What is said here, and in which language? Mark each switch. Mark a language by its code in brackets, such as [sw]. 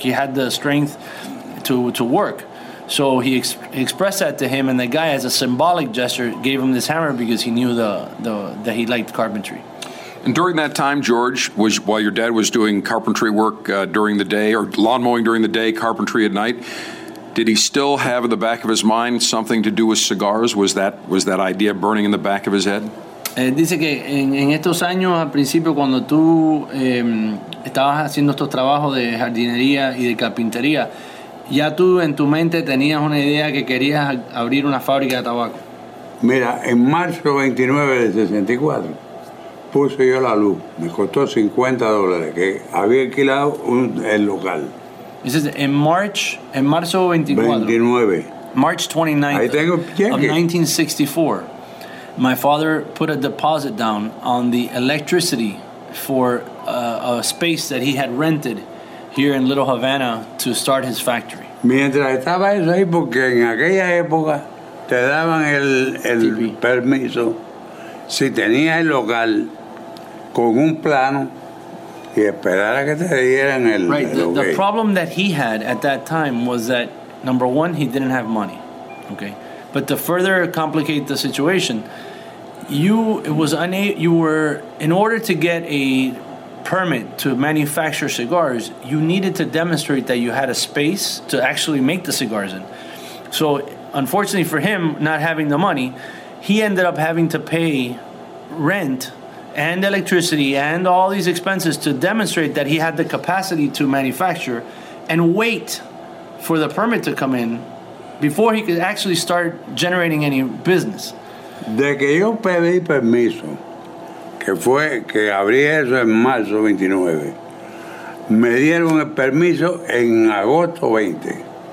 [en] He had the strength to work. So he expressed that to him, and the guy, as a symbolic gesture, gave him this hammer because he knew that he liked carpentry. And during that time, George, while your dad was doing carpentry work during the day, or lawn mowing during the day, carpentry at night, did he still have in the back of his mind something to do with cigars? Was that idea burning in the back of his head? [es] Dice que en estos años, al principio, cuando tú estabas haciendo estos trabajos de jardinería y de carpintería, ya tú en tu mente tenías una idea que querías abrir una fábrica de tabaco. Mira, en marzo 29 de 64, puse yo la luz, me costó $50, que había alquilado el local. Dice, en marzo 29. [en] March 29th. [es] Ahí tengo cheque. [en] Of 1964, my father put a deposit down on the electricity for a space that he had rented here in Little Havana to start his factory. [es] Mientras estaba eso ahí, porque en aquella época te daban el permiso si tenía el local con un plano y esperar a que te dieran el local. [en] Right, the problem that he had at that time was that, number one, he didn't have money, okay? But to further complicate the situation, in order to get a permit to manufacture cigars, you needed to demonstrate that you had a space to actually make the cigars in. So, unfortunately for him, not having the money, he ended up having to pay rent and electricity and all these expenses to demonstrate that he had the capacity to manufacture, and wait for the permit to come in before he could actually start generating any business. [es] De que yo pedí permiso, que fue que abrí eso en marzo 29, me dieron el permiso en agosto 20.